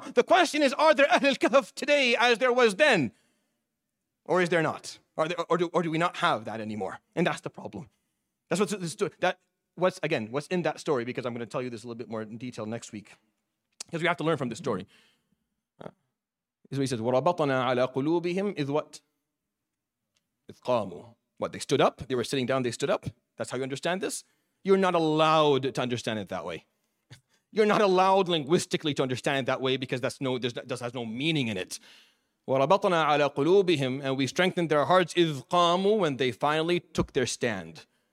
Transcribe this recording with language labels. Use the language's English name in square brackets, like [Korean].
[English] The question is, are there Ahl al-Kahf today as there was then? Or is there not? Or do we not have that anymore? And that's the problem. That's what's in that story, because I'm going to tell you this a little bit more in detail next week. Because we have to learn from this story. [Arabic] Is what he says, وَرَبَطَنَا عَلَى قُلُوبِهِمْ إِذْ وَتْ إِذْ قَامُوا. [English] What, they stood up? They were sitting down, they stood up? That's how you understand this? You're not allowed to understand it that way. You're not allowed linguistically to understand it that way, because that's no, this has no meaning in it. [Arabic] وَرَبَطْنَا عَلَى قُلُوبِهِمْ, [English] and we strengthened their hearts, [Arabic] إِذْ قَامُوا, [English] when they finally took their stand.